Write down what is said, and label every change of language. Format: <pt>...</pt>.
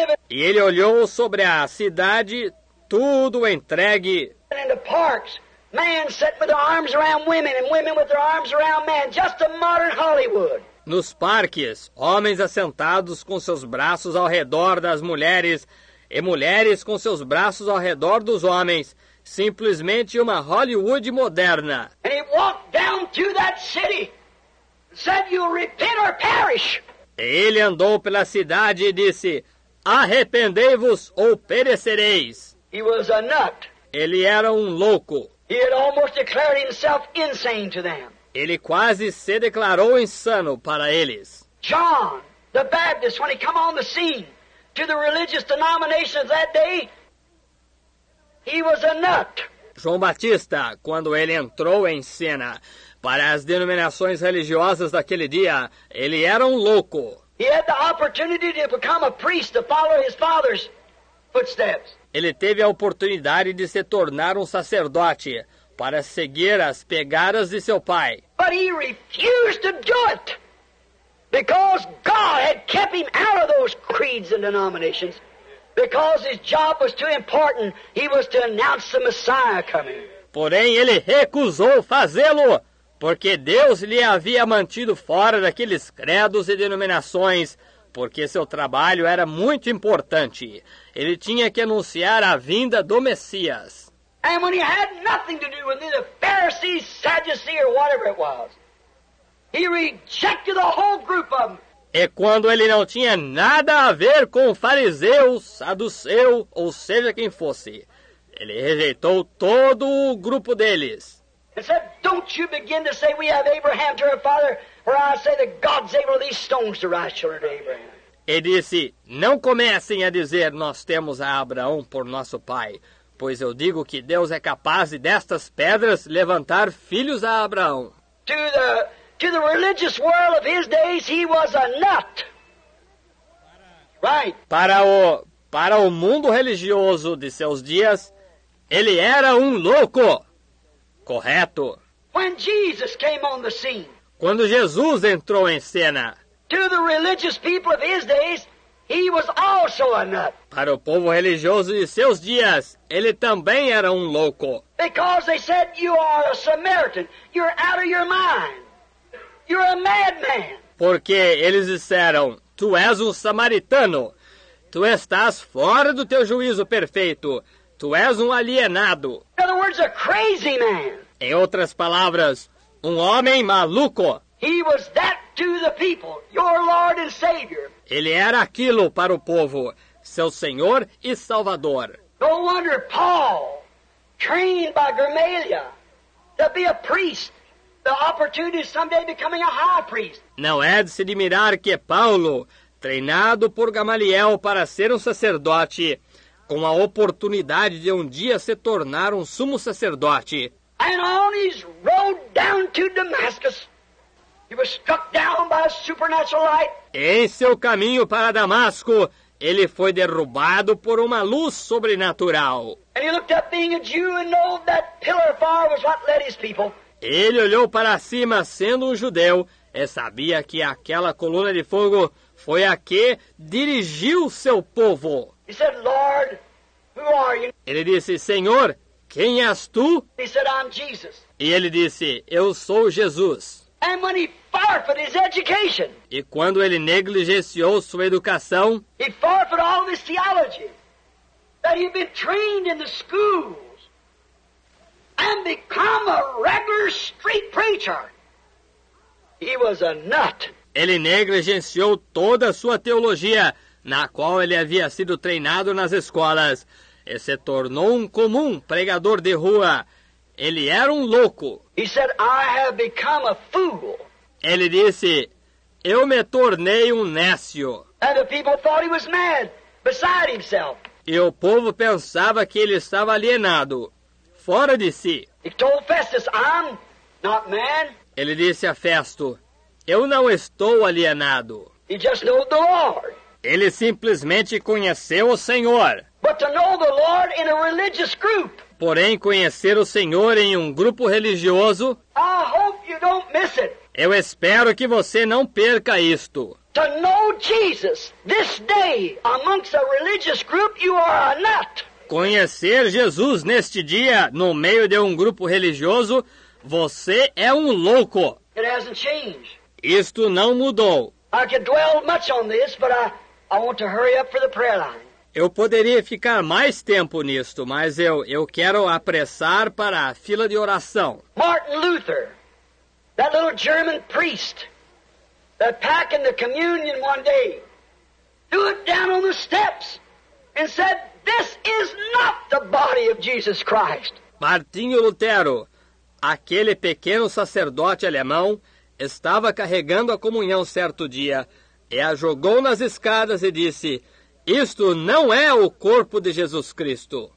<pt>E ele olhou sobre a cidade, tudo entregue.</pt> <en>Man set with their arms around women and women with their arms around men. Just a modern Hollywood.</en> <pt>Nos parques, homens assentados com seus braços ao redor das mulheres e mulheres com seus braços ao redor dos homens. Simplesmente uma Hollywood moderna.</pt> <en>And he walked down to that city and said, "You'll repent or perish."</en> <pt>Ele andou pela cidade e disse, "Arrependei-vos ou perecereis."</pt> <en>He was a nut.</en> <pt>Ele era um louco.</pt> <en>He had almost declared himself insane to them.</en> <pt>Ele quase se declarou insano para eles.</pt> <en>John the Baptist, when he came on the scene to the religious denomination of that day, he was a nut.</en> <pt>João Batista, quando ele entrou em cena para as denominações religiosas daquele dia, ele era um louco.</pt> <en>He had the opportunity to become a priest to follow his father's footsteps.</en> <pt>Ele teve a oportunidade de se tornar um sacerdote para seguir as pegadas de seu pai.</pt> <en>But he refused to do it because God had kept him out of those creeds and denominations because his job was too important. He was to announce the Messiah coming.</en> <pt>Porém, ele recusou fazê-lo porque Deus lhe havia mantido fora daqueles credos e denominações porque seu trabalho era muito importante. Ele tinha que anunciar a vinda do Messias.</pt> <en>And when he had nothing to do with the Pharisees, Sadducees, or whatever it was, he rejected the whole group of them.</en> <pt>E quando ele não tinha nada a ver com fariseu, saduceu, ou seja quem fosse, ele rejeitou todo o grupo deles.</pt> <en>And said, "Don't you begin to say we have Abraham to our father, or I say that God's able these stones to rise children to Abraham."</en> <pt>E disse, não comecem a dizer, nós temos a Abraão por nosso pai, pois eu digo que Deus é capaz destas pedras levantar filhos a Abraão.</pt> <en>To the religious world of his days, he was a nut. Right.</en> <pt>Para o mundo religioso de seus dias, ele era um louco. Correto.</pt> <en>When Jesus came on the scene.</en> <pt>Quando Jesus entrou em cena.</pt> <en>To the religious people of his days, he was also a nut.</en> <pt>Para o povo religioso de seus dias, ele também era um louco.</pt> <en>Because they said, "You are a Samaritan. You're out of your mind. You're a madman."</en> <pt>Porque eles disseram, "Tu és um samaritano. Tu estás fora do teu juízo perfeito. Tu és um alienado."</pt> <en>In other words, a crazy man.</en> <pt>Em outras palavras, um homem maluco.</pt> <en>He was that to the people, your Lord and Savior.</en> <pt>Ele era aquilo para o povo, seu Senhor e Salvador.</pt> <en>No wonder Paul, trained by Gamaliel to be a priest, the opportunity someday becoming a high priest.</en> <pt>Não é de se admirar que Paulo, treinado por Gamaliel para ser um sacerdote, com a oportunidade de um dia se tornar um sumo sacerdote.</pt> <en>And on his road down to Damascus, he was struck down by a supernatural light.</en> <pt>Em seu caminho para Damasco, ele foi derrubado por uma luz sobrenatural.</pt> <en>And he looked up being a Jew and knew that pillar of fire was what led his people.</en> <pt>Ele olhou para cima sendo um judeu e sabia que aquela coluna de fogo foi a que dirigiu seu povo.</pt> <en>He said, "Lord, who are you?"</en> <pt>Ele disse, "Senhor, quem és tu?"</pt> <en>He said, "I'm Jesus."</en> <pt>E ele disse, "Eu sou Jesus."</pt> <en>And when he forfeited his education,</en> <pt>e quando ele negligenciou sua educação,</pt> <en>he forfeited all his theology that he'd been trained in the schools and become a regular street preacher. He was a nut.</en> <pt>Ele negligenciou toda a sua teologia na qual ele havia sido treinado nas escolas e se tornou um comum pregador de rua. Ele era um louco.</pt> <en>He said, "I have become a fool."</en> <pt>Ele disse, "Eu me tornei um nécio."</pt> <en>And the people thought he was mad, beside himself.</en> <pt>E o povo pensava que ele estava alienado, fora de si.</pt> <en>He told Festus, "I'm not mad."</en> <pt>Ele disse a Festo, "Eu não estou alienado."</pt> <en>He just knew the Lord.</en> <pt>Ele simplesmente conheceu o Senhor.</pt> <en>But to know the Lord in a religious group.</en> <pt>Porém, conhecer o Senhor em um grupo religioso,</pt> <en>I hope you don't miss it.</en> <pt>Eu espero que você não perca isto.</pt> <en>To know Jesus this day amongst a religious group, you are a nut.</en> <pt>conhecer Jesus neste dia no meio de um grupo religioso, você é um louco.</pt> <en>It hasn't changed.</en> <pt>Isto não mudou.</pt> <en>I could dwell much on this, but I want to hurry up for the prayer line.</en> <pt>Eu poderia ficar mais tempo nisto, mas eu quero apressar para a fila de oração.</pt> <en>Martin Luther, that little German priest, that packing the communion one day, threw it down on the steps and said, "This is not the body of Jesus Christ."</en> <pt>Martinho Lutero, aquele pequeno sacerdote alemão, estava carregando a comunhão certo dia e a jogou nas escadas e disse: "Isto não é o corpo de Jesus Cristo.</pt>